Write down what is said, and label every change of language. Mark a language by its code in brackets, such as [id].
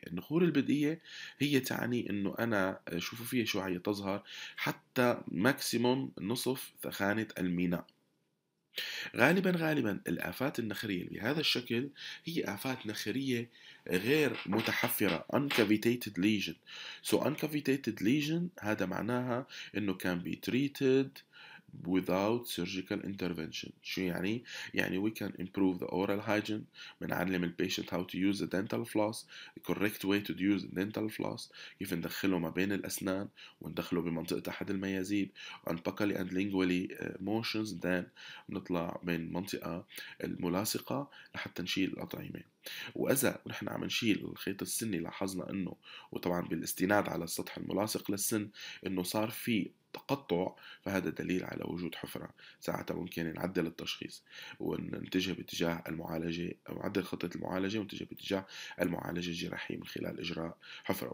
[ar] النخور البدئيه هي تعني انه انا شوفوا فيها شعاعية تظهر حتى ماكسيموم نصف ثخانه الميناء. غالبا الافات النخريه بهذا الشكل هي افات نخريه غير متحفره، [en] uncavitated lesion. So uncavitated lesion [ar] هذا معناها انه [en] can be treated without surgical intervention. [ar] شو يعني؟ يعني [en] we can improve the oral hygiene، [ar] بنعلم البيشنت [en] how to use the dental floss, [ar] the correct way to use the dental floss، كيف ندخله ما بين الأسنان وندخله بمنطقة أحد الميازيب، [en] unbuccally and lingually motions، then [ar] نطلع من منطقة الملاصقة لحتى نشيل الأطعمة. وإذا نحن عم نشيل الخيط السني لاحظنا أنه، وطبعا بالاستناد على السطح الملاصق للسن، أنه صار في تقطع، فهذا دليل على وجود حفرة، ساعتها ممكن نعدل التشخيص ونتجه باتجاه المعالجة أو عدل خطة المعالجة ونتجه باتجاه المعالجة الجراحية من خلال إجراء حفرة.